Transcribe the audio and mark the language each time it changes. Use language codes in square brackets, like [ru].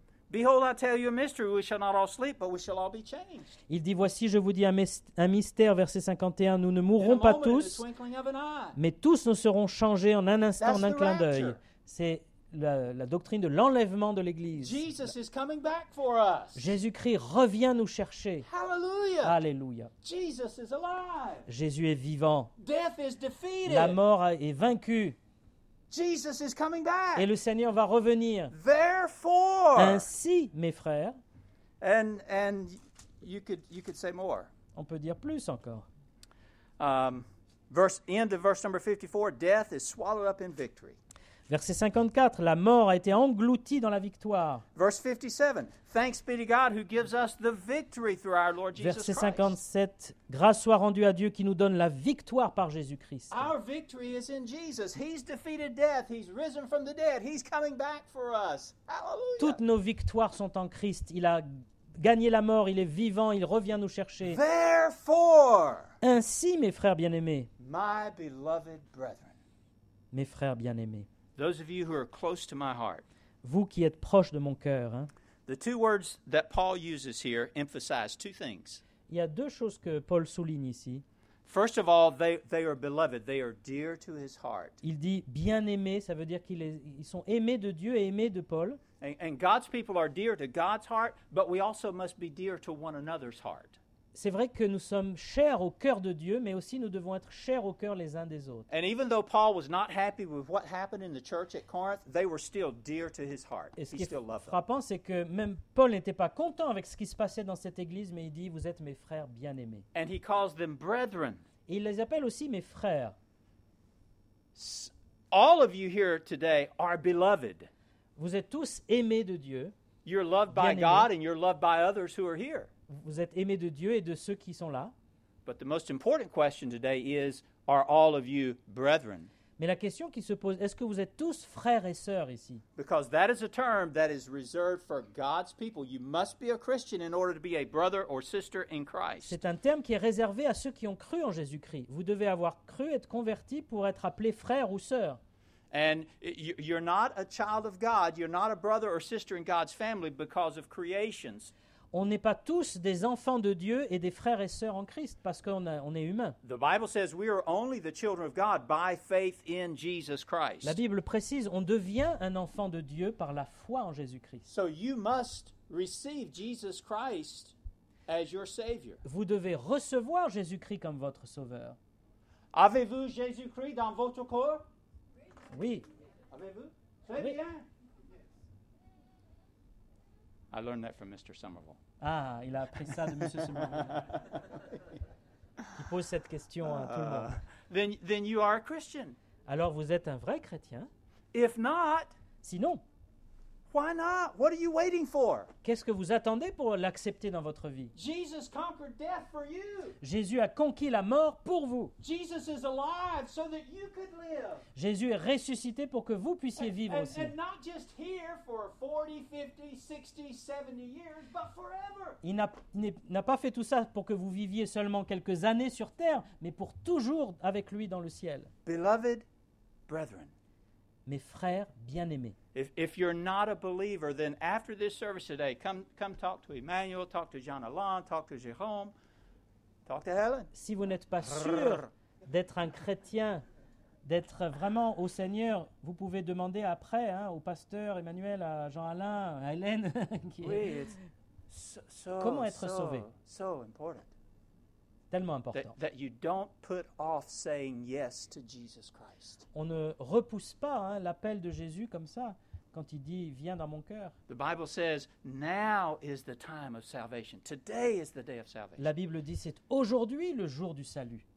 [en] Behold, I tell you a mystery, we shall not all sleep, but we shall all be changed. [fr] Il dit, voici, je vous dis un mystère, verset 51, nous ne mourrons pas tous, mais tous nous serons changés en un instant, en un clin d'œil. C'est la doctrine de l'enlèvement de l'Église. [en] Jesus is coming back for us. [fr] Jésus-Christ revient nous chercher. [en] Hallelujah. Hallelujah. Jesus is alive. [fr] Jésus est vivant. [en] Death is defeated. [fr] La mort est vaincue. [en] Jesus is coming back. [fr] Et le Seigneur va revenir. [en] Therefore. [fr] Ainsi, mes frères. [en] And you could say more. [fr] On peut dire plus encore. [en] End of verse number 54, death is swallowed up in victory. [fr] Verset 54, la mort a été engloutie dans la victoire. [en] Verse 57, thanks be to God who gives us the victory through our Lord Jesus Christ. [fr] Verset 57, grâce soit rendue à Dieu qui nous donne la victoire par Jésus-Christ. [en] Our victory is in Jesus. He's defeated death. He's risen from the dead. He's coming back for us. Hallelujah. [fr] Toutes nos victoires sont en Christ. Il a gagné la mort. Il est vivant. Il revient nous chercher. [en] Therefore. [fr] Ainsi, mes frères bien-aimés. [en] My beloved brethren. [fr] Mes frères bien-aimés. [en] Those of you who are close to my heart. [fr] Vous qui êtes proche de mon cœur. Hein? [en] The two words that Paul uses here emphasize two things. [fr] Il y a deux choses que Paul souligne ici. [en] First of all, they are beloved. They are dear to his heart. [fr] Il dit bien-aimés, ça veut dire qu'ils sont aimés de Dieu et aimés de Paul. [en] And God's people are dear to God's heart, but we also must be dear to one another's heart. [fr] C'est vrai que nous sommes chers au cœur de Dieu, mais aussi nous devons être chers au cœur les uns des autres. [en] And even though Paul was not happy with what happened in the church at Corinth, they were still dear to his heart. [fr] Et ce qui est frappant, c'est que même Paul n'était pas content avec ce qui se passait dans cette église, mais il dit, vous êtes mes frères bien-aimés. [en] And he calls them brethren. [fr] Et il les appelle aussi mes frères. [en] All of you here today are beloved. [fr] Vous êtes tous aimés de Dieu. [en] You're loved by God and you're loved by others who are here. [fr] Vous êtes aimés de Dieu et de ceux qui sont là. [en] But the most important question today is, are all of you brethren? [fr] Mais la question qui se pose, est-ce que vous êtes tous frères et sœurs ici? [en] Because that is a term that is reserved for God's people. You must be a Christian in order to be a brother or sister in Christ. [fr] C'est un terme qui est réservé à ceux qui ont cru en Jésus-Christ. Vous devez avoir cru, être converti pour être appelé frère ou sœur. [en] And you're not a child of God. You're not a brother or sister in God's family because of creations. [fr] On n'est pas tous des enfants de Dieu et des frères et sœurs en Christ parce qu'on est humain. [en] The Bible says we are only the children of God by faith in Jesus Christ. [fr] La Bible précise, on devient un enfant de Dieu par la foi en Jésus-Christ. [en] So you must receive Jesus Christ as your Savior. [fr] Vous devez recevoir Jésus-Christ comme votre Sauveur. Avez-vous Jésus-Christ dans votre corps? Oui. Avez-vous? Très bien. [en] I learned that from Mr. Somerville. [fr] Ah, il a appris ça de Monsieur Somerville. Il pose cette question à tout le monde. [en] Then you are a Christian. [fr] Alors vous êtes un vrai chrétien. [en] If not, [fr] sinon, [en] Why not? What are you waiting for? [fr] Qu'est-ce que vous attendez pour l'accepter dans votre vie? [en] Jesus conquered death for you. [fr] Jésus a conquis la mort pour vous. [en] Jesus is alive so that you could live. [fr] Jésus est ressuscité pour que vous puissiez vivre aussi. [en] And not just here for 40, 50, 60, 70 years, but forever. [fr] Il n'a pas fait tout ça pour que vous viviez seulement quelques années sur terre, mais pour toujours avec lui dans le ciel. [en] Beloved brethren, [fr] mes frères bien-aimés. [en] If you're not a believer, then after this service today, come talk to Emmanuel, talk to John Alain, talk to Jérôme, talk to Helen. [fr] Si vous n'êtes pas sûr d'être un chrétien, d'être vraiment au Seigneur, vous pouvez demander après hein, au pasteur Emmanuel, à Jean Alain, à Hélène. [en] Oui, it's so, [fr] comment être sauvé? [en] So important. [fr] Tellement important. [en] That you don't put off saying yes to Jesus Christ. [fr] On ne repousse pas hein, l'appel de Jésus comme ça quand il dit viens dans mon cœur. [en] The Bible says now is the time of salvation. Today is the day of salvation. [fr] La Bible dit c'est aujourd'hui le jour du salut.